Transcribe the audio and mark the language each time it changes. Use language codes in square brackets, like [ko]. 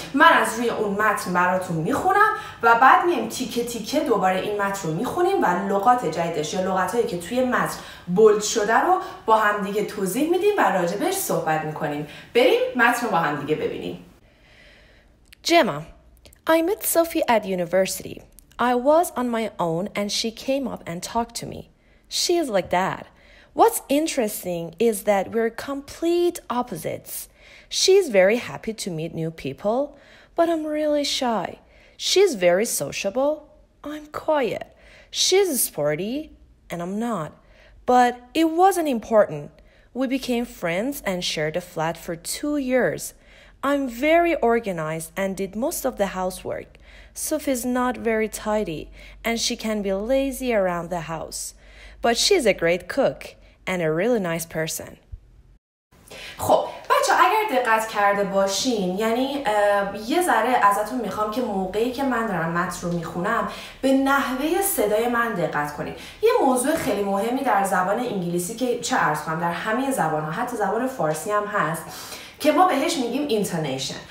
[fa] من از روی اون متن براتون میخونم و بعد میایم تیکه تیکه دوباره این متن رو میخونیم و لغات جدیدش یا لغتایی که توی متن بولد شده رو با هم دیگه توضیح میدیم و راجبش صحبت میکنیم. بریم متن رو با هم دیگه ببینیم. [en] Gemma, I met Sophie at university. I was on my own and she came up and talked to me. She is like that. What's interesting is that we're complete opposites. She's very happy to meet new people, but I'm really shy. She's very sociable. I'm quiet. She's sporty and I'm not. But it wasn't important. We became friends and shared a flat for 2 years. I'm very organized and did most of the housework. Sophie's not very tidy and she can be lazy around the house. But she's a great cook and a really nice person. [fa] خب بچه، اگر دقت کرده باشین، یعنی یه ذره ازتون میخوام که موقعی که من دارم متن رو میخونم به نحوه صدای من دقت کنین. یه موضوع خیلی مهمی در زبان انگلیسی که چه عرض کنم در همه زبان ها، حتی زبان فارسی هم هست، که ما بهش میگیم اینتونیشن.